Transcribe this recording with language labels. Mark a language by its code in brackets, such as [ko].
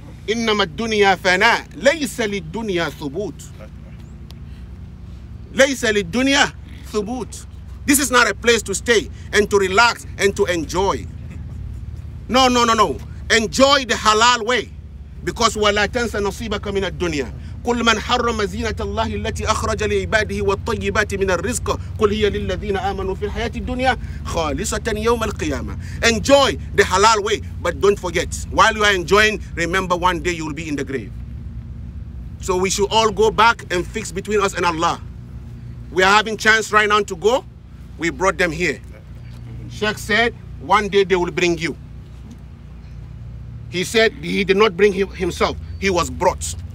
[ar] إنما الدنيا فناء ليس للدنيا ثبوت. ليس للدنيا ثبوت. [en] This is not a place to stay and to relax and to enjoy. No, no, no, no. Enjoy the halal way. Because [ar] ولا تنسى نصيبك من الدنيا. كل من حرم زينة الله التي أخرج لعباده والطيبات من الرزق كل هي للذين آمنوا في الحياة الدنيا خالصة يوم القيامة. [en] Enjoy the halal way, but don't forget. While you are enjoying, remember one day you will be in the grave. So we should all go back and fix between us and Allah. We are having chance right now to go. We brought them here. Sheikh said, one day they will bring you. He said he did not bring himself. He was brought.